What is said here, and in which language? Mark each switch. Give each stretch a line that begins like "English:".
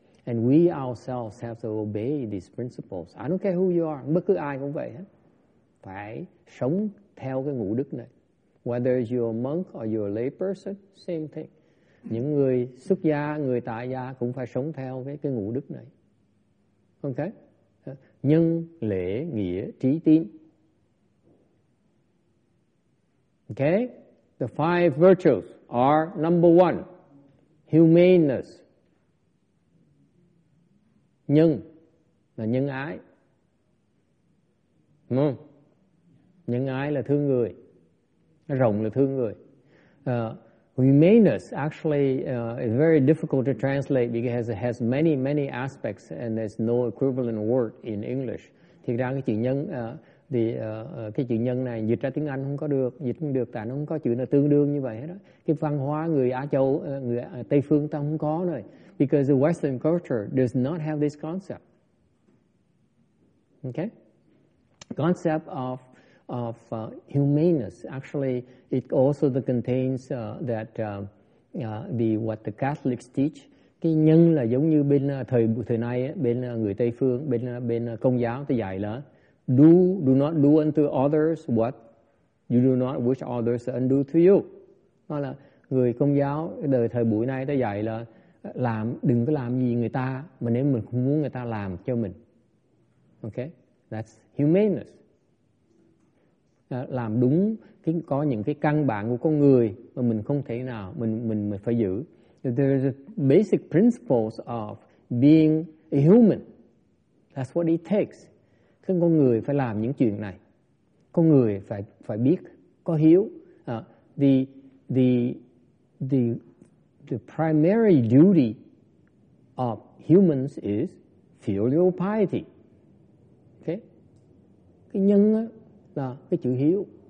English: And we ourselves have to obey these principles. I don't care who you are,
Vietnamese: bất cứ ai cũng vậy hết. Phải sống theo cái ngũ đức này.
English: Whether you're a monk or you're a lay person, same thing.
Vietnamese: Những người xuất gia, người tại gia cũng phải sống theo cái ngũ đức này. Ok? Nhân, lễ, nghĩa, trí, tín.
English: Ok? The five virtues are number one, humaneness.
Vietnamese: Nhân là nhân ái. Đúng không? Nhân ái là thương người. Rộng là thương người.
English: Humaneness actually is very difficult to translate because it has many, many aspects and there's no equivalent word in English.
Vietnamese: Thì ra cái chữ nhân, cái chữ nhân này dịch ra tiếng Anh không có được, dịch không được tại nó không có chữ nào tương đương như vậy hết đó. Cái văn hóa người Á Châu, người Tây Phương ta không có rồi.
English: Because the Western culture does not have this concept. Okay? Concept of humaneness. Actually, it also contains what the Catholics teach.
Vietnamese: Cái nhân là giống như bên thời nay, bên người Tây Phương, bên Công giáo, tôi dạy là
English: do not do unto others what you do not wish others to undo to you.
Vietnamese: Đó là người Công giáo đời thời buổi nay tôi dạy là làm, đừng có làm gì người ta mà nếu mình không muốn người ta làm cho mình.
English: Okay? That's humaneness.
Vietnamese: Làm đúng cái, có những cái căn bản của con người mà mình không thể nào mình phải giữ.
English: There is a basic principles of being a human. That's what it takes.
Vietnamese: Cái con người phải làm những chuyện này. Con người phải biết có hiếu.
English: The primary duty of humans is filial piety. Okay?
Vietnamese: Cái nhân á là cái chữ hiếu.